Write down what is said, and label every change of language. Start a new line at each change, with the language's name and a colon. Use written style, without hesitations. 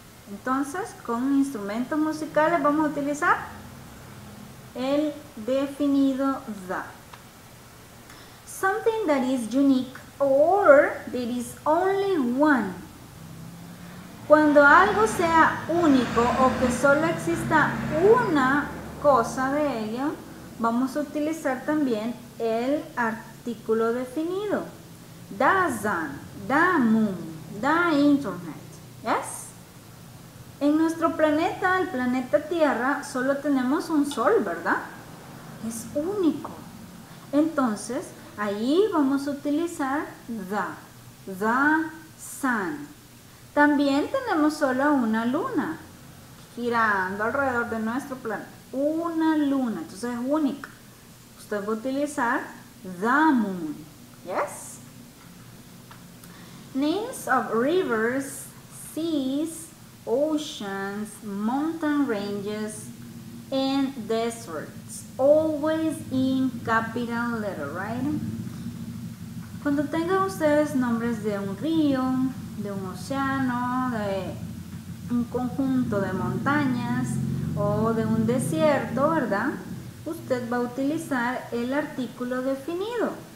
Spanish: Entonces, con instrumentos musicales vamos a utilizar el definido the.
English: Something that is unique or there is only one.
Spanish: Cuando algo sea único o que solo exista una cosa de ello, vamos a utilizar también el artículo definido.
English: The sun, the moon, the internet. ¿Yes?
Spanish: En nuestro planeta, el planeta Tierra, solo tenemos un sol, ¿verdad? Es único. Entonces, ahí vamos a utilizar the sun. También tenemos solo una luna girando alrededor de nuestro planeta. Una luna, entonces es única. Usted va a utilizar the moon. Yes?
English: Names of rivers, seas, oceans, mountain ranges, and deserts. Always in capital letter, right?
Spanish: Cuando tengan ustedes nombres de un río, de un océano, de un conjunto de montañas o de un desierto, ¿verdad? Usted va a utilizar el artículo definido.